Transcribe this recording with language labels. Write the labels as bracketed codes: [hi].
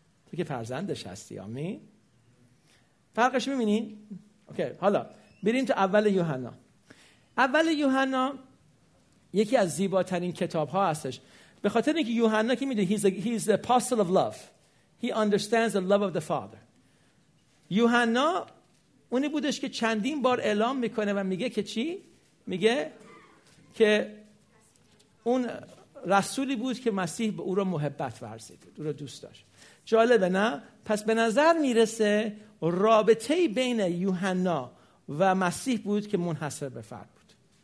[fa] تو که فرزندش هستی. آمین. فرقش میبینین؟ اوکی، حالا بریم تو اول یوحنا. اول یوحنا یکی از زیباترین کتاب ها هستش، به خاطر اینکه یوحنا که میدونه [en] he's the apostle of love. He understands the love of the father. [fa] یوحنا اونی بودش که چندین بار اعلام میکنه و میگه که چی؟ میگه که اون رسولی بود که مسیح به او رو محبت ورزید، او رو دوست داشت. جالبه نه؟ پس به نظر میرسه رابطه بین یوحنا و مسیح بود که منحصر به فرد بود.